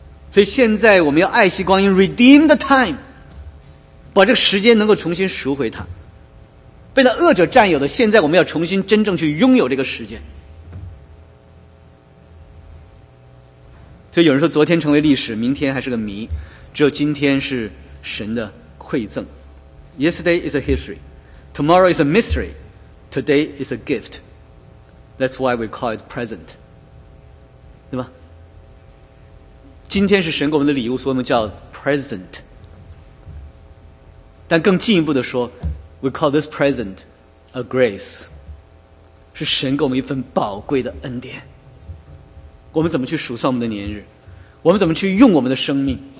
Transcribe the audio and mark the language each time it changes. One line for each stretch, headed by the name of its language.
Chinese: 所以现在我们要爱惜光阴，
English: redeem the time，
Chinese: 把这个时间能够重新赎回它，被那恶者占有的，现在我们要重新真正去拥有这个时间。所以有人说，昨天成为历史，明天还是个谜，只有今天是神的馈赠。
English: Yesterday is a history, tomorrow is a mystery, today is a gift. That's why we call it present.
Chinese: 对吧？今天是神给我们的礼物，所以我们叫 present。但更进一步的说，
English: We call this present a grace，
Chinese: 是神给我们一份宝贵的恩典。我们怎么去数算我们的年日？我们怎么去用我们的生命？